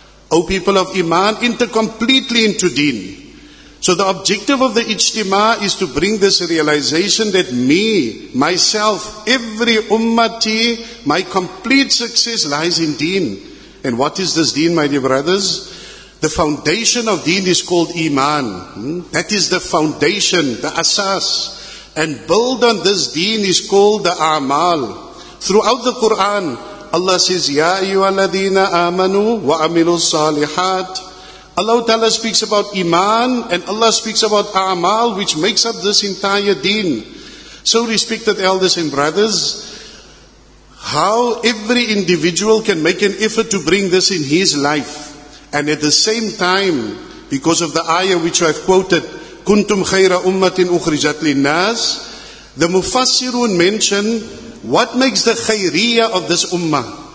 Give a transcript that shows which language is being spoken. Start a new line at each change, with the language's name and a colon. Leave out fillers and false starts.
English: O people of Iman, enter completely into Deen. So the objective of the Ijtima is to bring this realization that me, myself, every Ummati, my complete success lies in Deen. And what is this Deen, my dear brothers? The foundation of Deen is called Iman. That is the foundation, the Asas. And build on this Deen is called the A'mal. Throughout the Quran, Allah says,
Arabic: يَا أَيُّهَا الَّذِينَ آمَنُوا وَأَمِلُوا الصَّالِحَاتِ.
English: Allah Ta'ala speaks about Iman, and Allah speaks about A'mal, which makes up this entire deen. So respected elders and brothers, how every individual can make an effort to bring this in his life, and at the same time, because of the ayah which I've quoted,
Arabic: كُنْتُمْ خَيْرَ أُمَّةٍ أُخْرِجَتْ لِلنَّاسِ,
English: the Mufassirun mention, what makes the khayriya of this ummah?